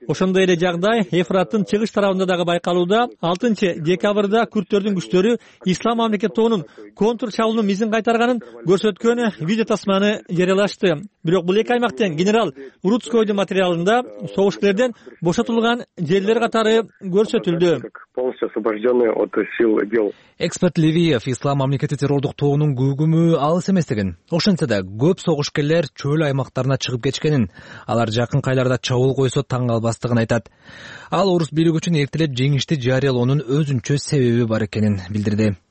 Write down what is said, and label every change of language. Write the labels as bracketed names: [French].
[Kyrgyz] Ошондой эле жагдай Ефраттын чыгыш тарабында дагы байкалууда. 6 декабрда күрдтөрдүн күчтөрү ислам мамлекет тобунун контур чабуулунун изин кайтарганын көрсөткөн видео тасманы жарыялашты. Бирок бул эки аймактын генерал Рудскойдун материалында согушкерлерден бошотулган жерлер катары көрсөтүлдү. [Russian] Полностью освобожденные от сил ИГИЛ. [Kyrgyz] Эксперт Левиев ислам мамлекети террордук тобунун күгүмү алыс эмес деген. Ошентсе да көп согушкерлер чөл аймактарына чыгып кечкенин, алар жакын кайларда чабуул койсо таң калбастыгын айтат. Ал орус бийлиги үчүн эртелеп жеңишти жарыялоонун өзүнчө себеби бар экенин билдирди.